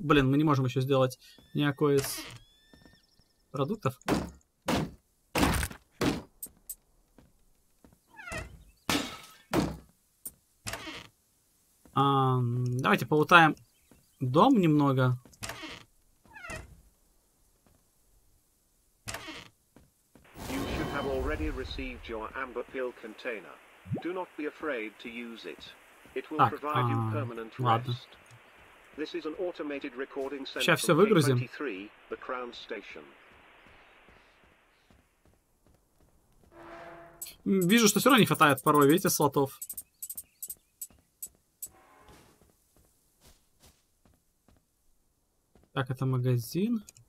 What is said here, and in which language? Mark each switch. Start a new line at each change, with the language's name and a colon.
Russian: Блин, мы не можем еще сделать никакой из... продуктов. Давайте полутаем дом немного.
English: You should have already received your amber pill container. Do not be afraid to use it. It will provide you permanent rest. This is an automated recording center for K23, the Crown Station.
Russian: Вижу, что все равно не хватает порой, видите, слотов. Так, это магазин.